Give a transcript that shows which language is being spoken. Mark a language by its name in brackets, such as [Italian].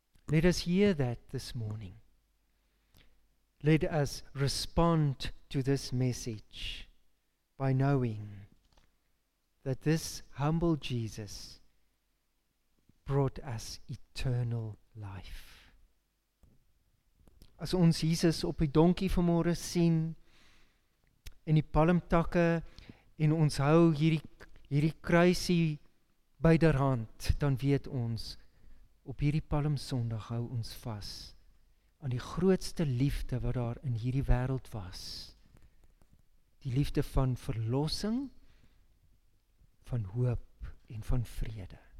[English] Let us hear that this morning. Let us respond to this message by knowing that this humble Jesus brought us eternal life. [Afrikaans] As ons Jesus op die donkie vanmôre sien in die palmtakke en ons hou hierdie kruisie by der hand, dan weet ons op hierdie palmsondag hou ons vas aan die grootste liefde wat daar in hierdie wêreld was. Die liefde van verlossing, van hoop en van vrede.